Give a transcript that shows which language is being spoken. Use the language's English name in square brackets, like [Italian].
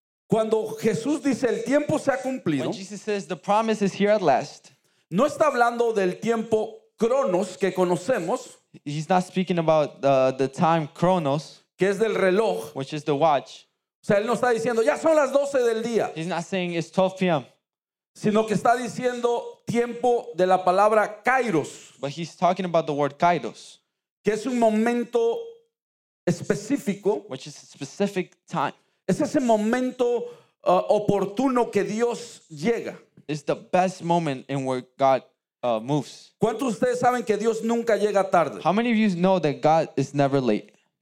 [Spanish] Cuando Jesús dice el tiempo se ha cumplido. [English] When Jesus says the promise is here at last. [Spanish] No está hablando del tiempo Cronos que conocemos. [English] He's not speaking about the time Chronos, [Spanish] que es del reloj, [English] which is the watch. [Spanish] O sea, él no está diciendo ya son las 12 del día. [English] He's not saying it's 12 p.m. [Spanish] Sino que está diciendo tiempo de la palabra Kairos. [English] But he's talking about the word Kairos, [Spanish] que es un momento específico, [English] which is a specific time. [Spanish] Es ese momento oportuno que Dios llega. [English] It's the best moment in where God moves. [Spanish] ¿Cuántos de ustedes saben que Dios nunca llega tarde? [English] How many of you know that God is never late?